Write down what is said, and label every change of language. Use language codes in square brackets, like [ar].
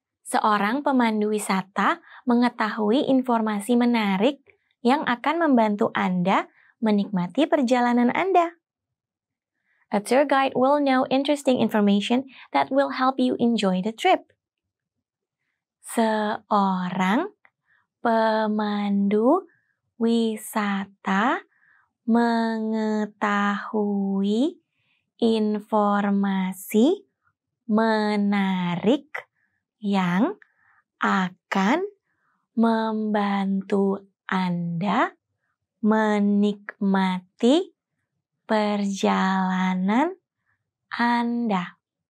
[id] Seorang pemandu wisata mengetahui informasi menarik yang akan membantu Anda menikmati perjalanan Anda. [en] A tour guide will know interesting information that will help you enjoy the trip. [id] Seorang pemandu wisata mengetahui informasi menarik yang akan membantu Anda menikmati perjalanan Anda.